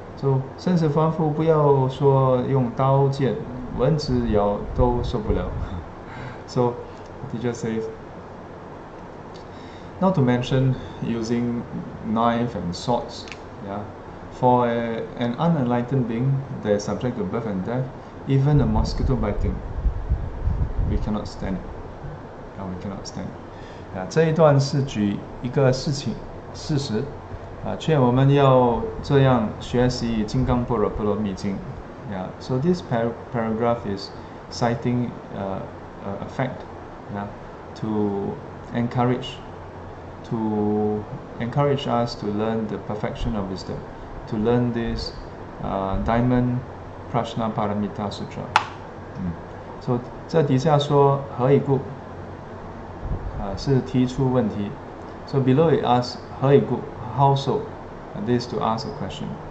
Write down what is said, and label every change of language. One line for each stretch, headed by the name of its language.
Chinese: So 生死凡夫不要说用刀剑蚊子咬都受不了.
English: So he just says, not to mention using knife and swords, yeah. For an unenlightened being that is subject to birth and death, even a mosquito biting, we cannot stand it. Yeah, we cannot stand it.
Chinese: Yeah, 这一段是举一个事情事实, 劝我们要这样学习金刚般若波罗蜜经.
English: Yeah, so this paragraph is citing a fact, yeah, to encourage us to learn the perfection of wisdom, to learn this Diamond Prajna Paramita Sutra.
Chinese: So 这底下说何以故, 是提出问题.
English: So below it asks
Chinese: 何以故,
English: how so, this is to ask a question.